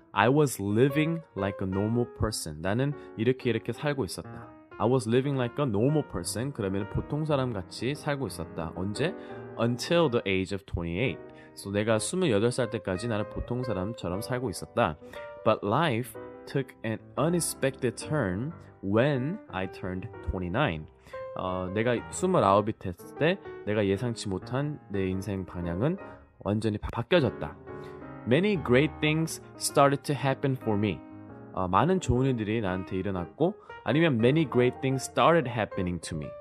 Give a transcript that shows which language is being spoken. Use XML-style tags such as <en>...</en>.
<en>I was living like a normal person.</en> <ko>나는 이렇게 이렇게 살고 있었다.</ko> <en>I was living like a normal person.</en> <ko>그러면 보통 사람 같이 살고 있었다. 언제?</ko> <en>Until the age of 28.</en> <ko>So 내가 28살 때까지 나는 보통 사람처럼 살고 있었다.</ko> <en>But life took an unexpected turn when I turned 29.</en> <ko>내가 29이 됐을 때 내가 예상치 못한 내 인생 방향은 완전히 바뀌어졌다.</ko> <en>Many great things started to happen for me.</en> <ko>많은 좋은 일들이 나한테 일어났고 아니면</ko> <en>many great things started happening to me.</en>